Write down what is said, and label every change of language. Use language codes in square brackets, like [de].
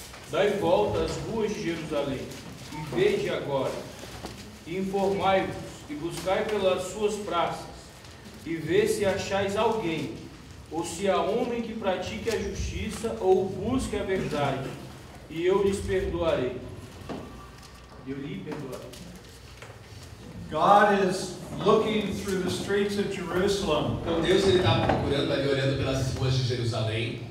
[pt] Dai volta às ruas de Jerusalém e vede agora. Informai-vos e buscai pelas suas praças e vê se achais alguém. Ou se há homem que pratique a justiça ou busque a verdade, e eu lhes perdoarei. Eu lhe perdoarei. [en] God is looking through the streets of Jerusalem. [pt] Então Deus está procurando ali, olhando pelas ruas de Jerusalém.